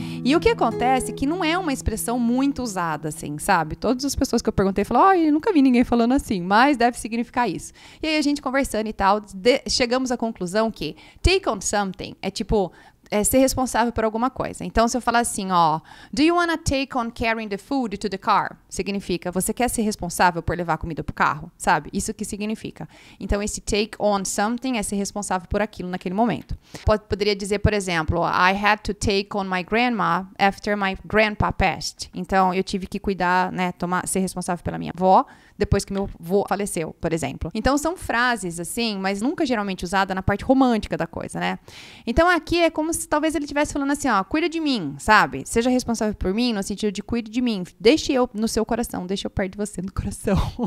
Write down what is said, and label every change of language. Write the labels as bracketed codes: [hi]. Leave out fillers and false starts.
[pt] E o que acontece é que não é uma expressão muito usada, assim, sabe? Todas as pessoas que eu perguntei falaram, oh, eu nunca vi ninguém falando assim, mas deve significar isso. E aí a gente conversando e tal, chegamos à conclusão que take on something é tipo... É ser responsável por alguma coisa. Então, se eu falar assim, ó... [en] Do you wanna take on carrying the food to the car? [pt] Significa, você quer ser responsável por levar comida pro carro? Sabe? Isso que significa. Então, esse take on something é ser responsável por aquilo naquele momento. Poderia dizer, por exemplo... [en] I had to take on my grandma after my grandpa passed. [pt] Então, eu tive que cuidar, né? Tomar, ser responsável pela minha avó... Depois que meu avô faleceu, por exemplo. Então, são frases, assim, mas nunca geralmente usada na parte romântica da coisa, né? Então, aqui é como se talvez ele estivesse falando assim, ó, cuida de mim, sabe? Seja responsável por mim, no sentido de cuide de mim. Deixe eu no seu coração, deixe eu perto de você no coração.